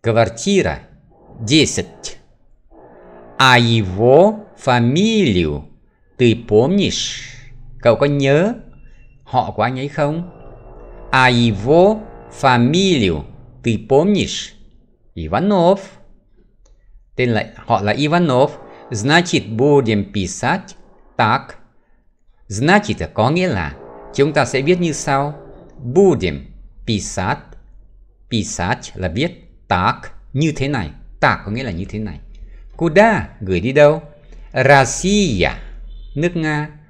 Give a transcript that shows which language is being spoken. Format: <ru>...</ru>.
<ru>Квартира 10. А его фамилию ты помнишь?</ru> <vi>Cậu có nhớ họ của anh ấy không?</vi> <ru>А его фамилию ты помнишь? Иванов.</ru> <vi>Tên là, họ là Иванов.</vi> <ru>Значит, будем писать так.</ru> <vi>Значит, có nghĩa là chúng ta sẽ viết như sau.</vi> <ru>Будем писать.</ru> <vi>Писать là viết. Так, như thế này. Так có nghĩa là như thế này. Куда, gửi đi đâu? Россия, nước Nga.</vi>